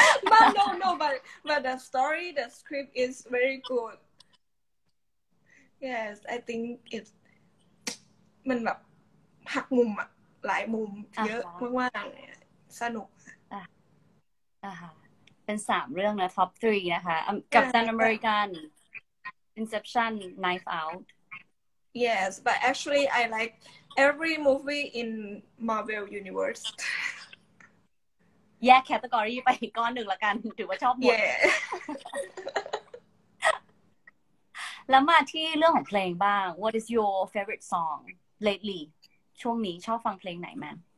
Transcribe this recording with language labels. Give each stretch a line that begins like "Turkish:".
English: But no, but the story, the script is very good. Yes, I think it's
Thai: มันแบบหักมุมอะหลายมุมเยอะมากมากสนุก เป็นสามเรื่องนะ top 3นะคะกับ Captain America, Inception, Knife Out.
English: Yes, but actually I like every movie in Marvel Universe.
Thai: แยกแคตตาล็อกไปอีกก้อนหนึ่งละกันถือว่าชอบหมด
English: yeah.
Thai: แล้วมาที่เรื่องของเพลงบ้าง
English: What is your favorite song lately
Thai: ช่วงนี้ชอบฟังเพลงไหนมา